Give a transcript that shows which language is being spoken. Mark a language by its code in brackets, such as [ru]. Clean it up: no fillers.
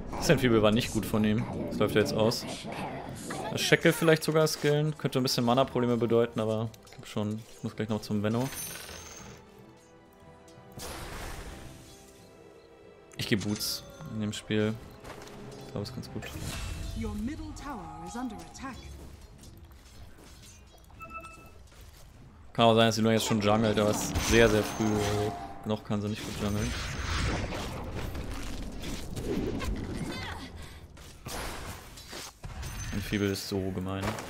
[de] Sandfeeble war nicht gut von ihm. Das läuft ja jetzt aus. Das Shackle vielleicht sogar skillen. Könnte ein bisschen Mana-Probleme bedeuten, aber ich glaube schon. Ich muss gleich noch zum Venno. Ich gebe Boots in dem Spiel. Ich glaube, es ist ganz gut. [en] Your middle tower is under attack. [de] Kann auch sein, dass die Luna jetzt schon jungelt, aber es ist sehr, sehr früh. Noch kann sie nicht gut jungeln. Fiebel ist so gemein.